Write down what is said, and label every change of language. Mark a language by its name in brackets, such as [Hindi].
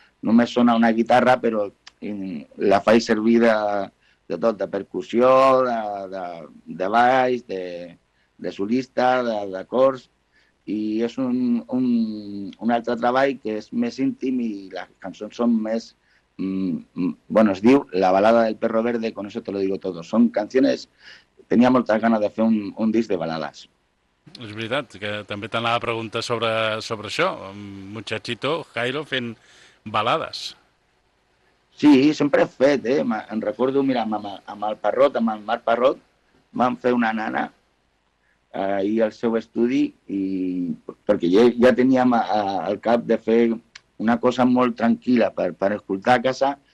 [Catalan] Només sona una guitarra, però la faig servir de tot, de percussió, de baix, de solista, de cors, i és un altre treball que és més íntim i les cançons són més... [Spanish] bueno, [Catalan] es diu [Spanish] La balada del perro verde, con eso te lo digo todo. [Catalan] Són canciones... Tenia moltes ganes de fer un disc de balades. És veritat, que també t'anava a preguntar sobre això, Muchachito, Jairo, fent balades. Sí, sempre he fet, eh? Em recordo, mira, amb el Parrot, amb el Marc Parrot, vam fer una nana ahir al seu estudi, i perquè ja teníem al cap de fer una cosa molt tranquil·la per escoltar a casa,